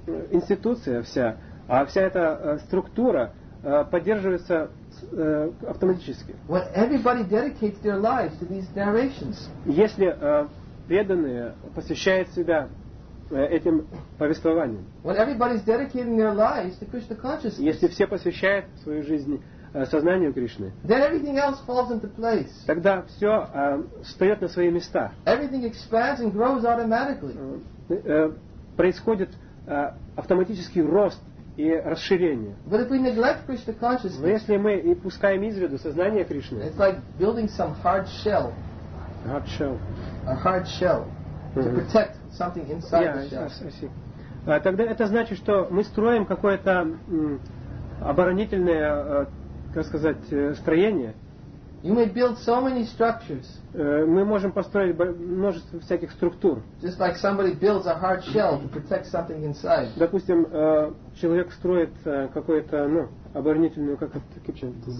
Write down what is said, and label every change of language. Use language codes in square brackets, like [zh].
[ru] Институция вся, а вся эта структура поддерживается автоматически. [en] When everybody dedicates their lives to these narrations. [ru] Если преданные посвящают себя этим повествованиям. [en] When everybody's dedicating their lives to Krishna consciousness, [ru] если все посвящают свою жизнь сознанию Кришны, [en] then everything else falls into place. [ru] Тогда все встает на свои места. [en] Everything expands and grows automatically. [ru] Происходит автоматический рост и расширение. [en] But if we neglect Krishna consciousness, [ru] но если мы и пускаем из виду сознание Кришны, [en] it's like building some hard shell. Hard shell. A hard shell to protect something inside the shell. [ru] Тогда это значит, что мы строим какое-то оборонительное, как сказать, строение. [en] You may build so many structures. [ru] Мы можем построить множество всяких структур. [en] Just like somebody builds a hard shell to protect something inside. [ru] Допустим, человек строит какое-то, ну, оборонительную, как это, кипчен?